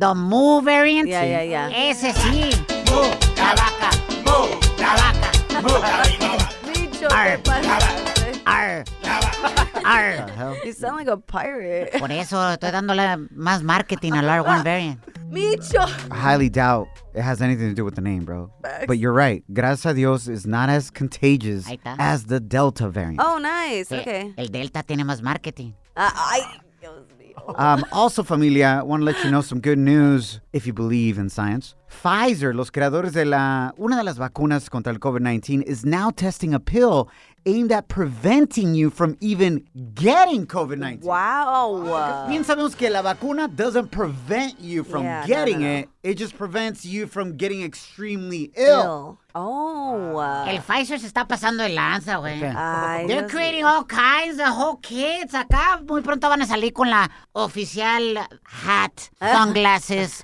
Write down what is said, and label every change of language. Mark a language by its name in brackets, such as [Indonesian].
[English] The Mu variant. [Spanish] Ya, ya, ya. Ese sí. Mu, la vaca. Mu, la vaca. Mu, la vaca. Arr. [English] You sound like a pirate. [Spanish] Por eso estoy dándole más marketing al R1 variant. Micho. [English] I highly doubt it has anything to do with the name, bro. But you're right. [Spanish] Gracias a Dios, [English] it's not as contagious as the Delta variant. Oh, nice. Okay. [Spanish] El Delta tiene más marketing. [English] Also, familia, I want to let you know some good news, if you believe in science. Pfizer, [Spanish] los creadores de una de las vacunas contra el COVID-19, [English] is now testing a pill aimed at preventing you from even getting COVID-19. Wow. [Spanish] Bien sabemos que la vacuna [English] doesn't prevent you from getting it. It just prevents you from getting extremely ill. Oh. [Spanish] El Pfizer se está pasando el lanza, güey. [English] Okay. They're creating all kinds of whole kits. [Spanish] Acá muy pronto van a salir con la oficial [English] hat, sunglasses.